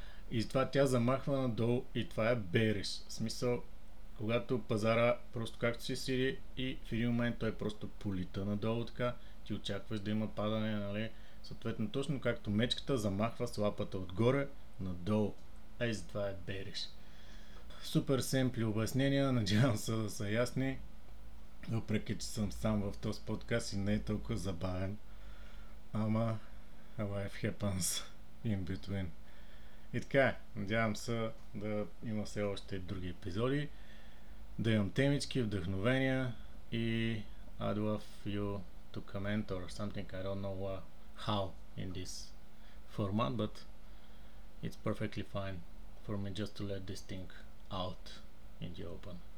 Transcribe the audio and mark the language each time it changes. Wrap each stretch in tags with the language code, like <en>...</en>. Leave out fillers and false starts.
<bg>И това тя замахва надолу и това е bearish. В смисъл, когато пазара просто както си сиди и в един момент той просто полита надолу така, ти очакваш да има падане, нали? Съответно, точно както мечката замахва с лапата отгоре надолу. Ай, затова е bearish. Супер семпли обяснения, надявам се да са ясни. Въпреки, че съм сам в този подкаст и не е толкова забавен.</bg> <en>Ама, life happens in between.</en> <bg>И така, надявам се да има все още други епизоди. Да имам темички, вдъхновения и</bg> <en>I'd love you to comment or something, I don't know what. How in this format, but it's perfectly fine for me just to let this thing out in the open.</en>